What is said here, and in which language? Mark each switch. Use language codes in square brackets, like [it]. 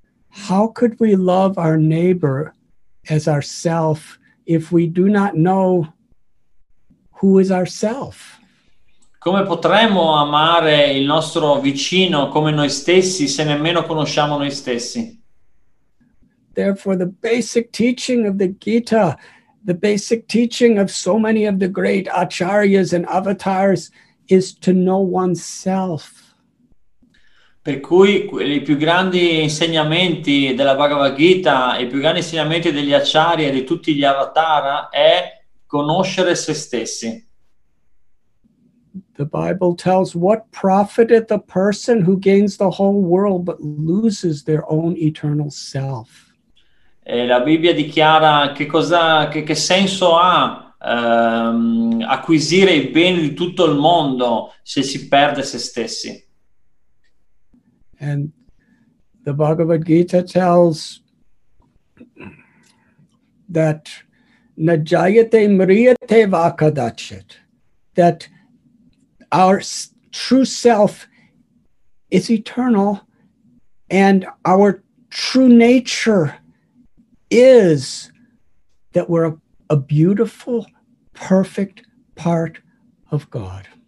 [en] How could we love our neighbor as ourself if we do not know who is ourself? [it] Come potremmo amare il nostro vicino come noi stessi se nemmeno conosciamo noi stessi? [en] Therefore, the basic teaching of the Gita, the basic teaching of so many of the great acharyas and avatars, is to know oneself. [it] Per cui i più grandi insegnamenti della Bhagavad Gita, i più grandi insegnamenti degli acharya e di tutti gli avatar è conoscere se stessi. [en] The Bible tells, what profiteth the person who gains the whole world but loses their own eternal self? [it] E la Bibbia dichiara che senso ha acquisire i beni di tutto il mondo se si perde se stessi. [en] And the Bhagavad Gita tells that [sa] na jayate mriyate va kadachit, [en] that our true self is eternal and our true nature is that we're a beautiful, perfect part of God.